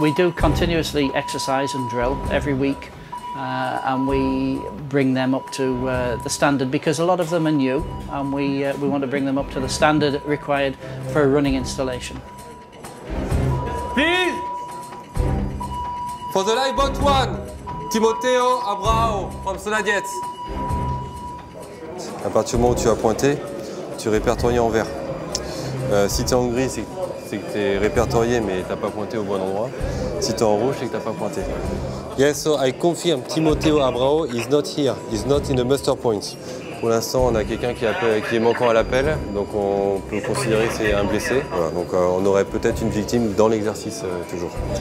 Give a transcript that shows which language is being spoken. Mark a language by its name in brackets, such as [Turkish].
[English] We do continuously exercise and drill every week, and we bring them up to the standard because a lot of them are new, and we want to bring them up to the standard required for a running installation. Please! For the lifeboat one, Timoteo Abrao from Sonadiet. [French] À partir du moment où tu as pointé, tu répertoriais en vert. Si tu es en gris, c'est que tu es répertorié mais tu n'as pas pointé au bon endroit. Si tu es en rouge, c'est que tu n'as pas pointé. [English] Yes, so I confirm Timoteo Abrao is not here. He's not in the muster point. [French] Pour l'instant, on a quelqu'un qui est manquant à l'appel, donc on peut considérer que c'est un blessé. Voilà, donc on aurait peut-être une victime dans l'exercice toujours.